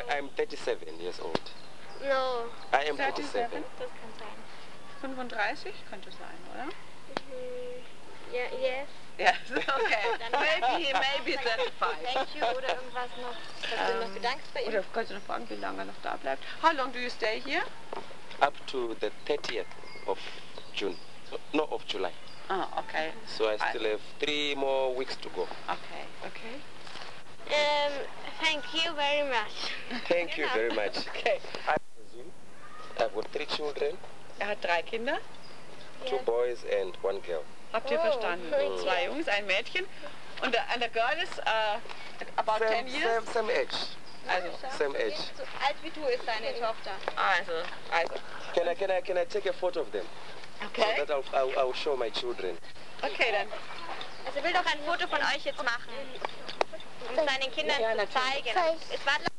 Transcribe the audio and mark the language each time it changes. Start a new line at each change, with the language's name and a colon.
English: I'm 37 years old. No. I am 37.
German: Das kann sein. 35 könnte sein, oder?
English: Yes. Yes, okay. Dann maybe 35. Thank you
German: oder irgendwas noch. Kannst du noch Gedanken bei ihm? Oder kannst du noch fragen, wie lange er noch da bleibt?
English: How long do you stay here? Up to the 30th of June. No, of July. Ah, okay. So I still have 3 more weeks to go. Okay, okay. Thank you very much. Thank you very much. Okay. I presume I've got 3 children.
German: Er hat 3 Kinder.
English: 2 yes. boys and 1 girl.
German: Habt ihr verstanden? Mm. 2 Jungs, ein Mädchen.
English: Und the girl is about 10 years? Same age.
German: Also,
English: same age.
German: So alt wie du ist deine Tochter. Also.
English: Can I take a photo of them? Okay. So that I'll show my children.
German: Okay, dann. Also ich will doch ein Foto von euch jetzt machen. Um seinen Kindern zu zeigen.